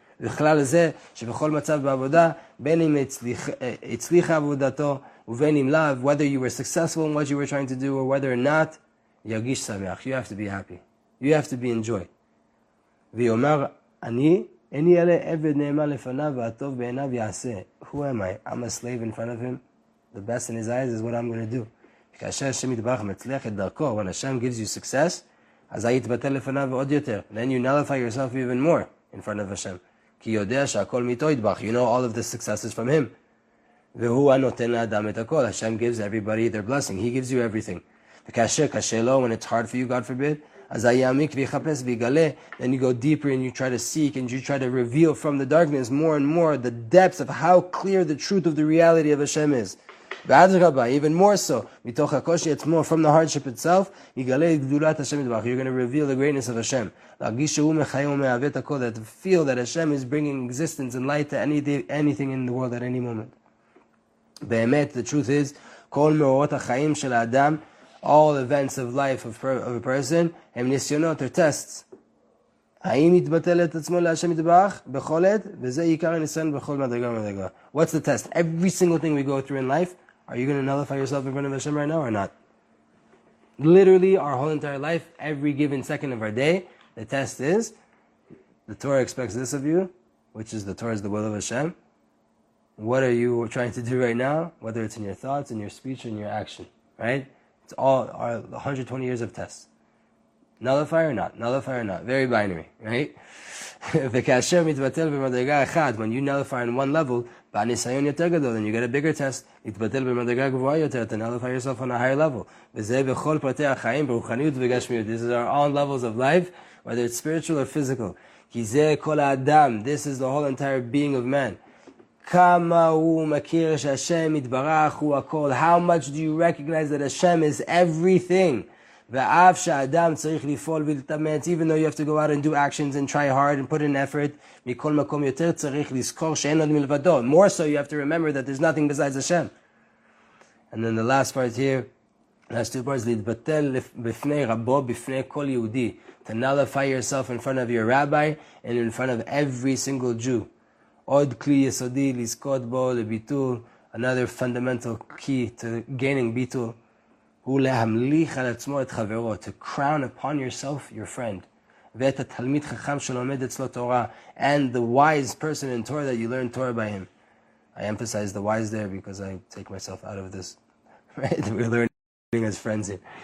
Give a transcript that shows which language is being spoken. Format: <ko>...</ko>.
<en>Whether you were successful in what you were trying to do or whether or not,</en> <he>yagish sameach,</he> <en>you have to be happy. You have to be in joy. Who am I? I'm a slave in front of Him. The best in His eyes is what I'm going to do.</en> <he>כאשר השם יתברך מצליח את דרכו,</he> <en>when Hashem gives you success,</en> <he>אז היית בטל לפניו עוד יותר.</he> <en>Then you nullify yourself even more in front of Hashem.</en> <he>כי יודע שהכל מיתו יתברך.</he> <en>You know all of the successes from him.</en> <he>והוא הנותן לאדם את הכל.</he> <en>Hashem gives everybody their blessing. He gives you everything.</en> <he>וכאשר קשה לו,</he> <en>when it's hard for you, God forbid,</en> <he>אז יעמיק ויחפש ויגלה.</he> <en>Then you go deeper and you try to seek and you try to reveal from the darkness more and more the depths of how clear the truth of the reality of Hashem is.</en> <he>ואדרבה,</he> <en>even more so,</en> <he>מתוך הקושי עצמו,</he> <en>from the hardship itself,</en> <he>יגלה את גדולת השם יתברך.</he> <en>You're going to reveal the greatness of Hashem.</en> <he>להרגיש שהוא מחיה ומהווה את הכל,</he> <en>that feel that Hashem is bringing existence and light to anything in the world at any moment.</en> <he>באמת,</he> <en>the truth is,</en> <he>כל מאורות החיים של האדם,</he> <en>all events of life of a person,</en> <he>הם ניסיונות,</he> <en>they're tests.</en> <he>האם יתבטל את עצמו להשם יתברך בכל עת? וזה עיקר הניסיון בכל מדרגה ומדרגה.</he> <en>What's the test? Every single thing we go through in life, are you going to nullify yourself in front of Hashem right now or not? Literally, our whole entire life, every given second of our day, the test is, the Torah expects this of you, which is the Torah is the will of Hashem. What are you trying to do right now? Whether it's in your thoughts, in your speech, or in your action, right? It's all our 120 years of tests. Nullify or not? Nullify or not? Very binary, right?</en> <he>וכאשר מתבטל במדרגה אחת,</he> <en>when you nullify on one level,</en> <he>בניסיון יותר גדול,</he> <en>then you get a bigger test,</en> <he>מתבטל במדרגה גבוהה יותר,</he> <en>to nullify yourself on a higher level.</en> <he>וזה בכל פרטי החיים, ברוחניות וגשמיות.</he> <en>These are all levels of life, whether it's spiritual or physical.</en> <he>כי זה כל האדם,</he> <en>this is the whole entire being of man.</en> <he>כמה הוא מכיר שהשם מתברך הוא הכל.</he> <en>How much do you recognize that Hashem is everything?</en> <he>ואף שהאדם צריך לפעול ולתאמץ,</he> <en>even though you have to go out and do actions and try hard and put in effort,</en> <he>מכל מקום יותר צריך לזכור שאין עוד מלבדו.</he> <en>More so, you have to remember that there's nothing besides Hashem. And then the last part here, last two parts,</en> <he>להתבטל בפני רבו, בפני כל יהודי.</he> <en>To nullify yourself in front of your rabbi and in front of every single Jew.</en> <he>עוד כלי יסודי לזכות בו לביטול,</he> <en>another fundamental key to gaining</en> <he>ביטול. הוא להמליך על עצמו את חברו,</he> <en>to crown upon yourself your friend,</en> <he>ואת התלמיד חכם שלומד אצלו תורה,</he> <en>and the wise person in Torah that you learn Torah by him. I emphasize the wise there because I take myself out of this, right? We're learning as friends here.</en>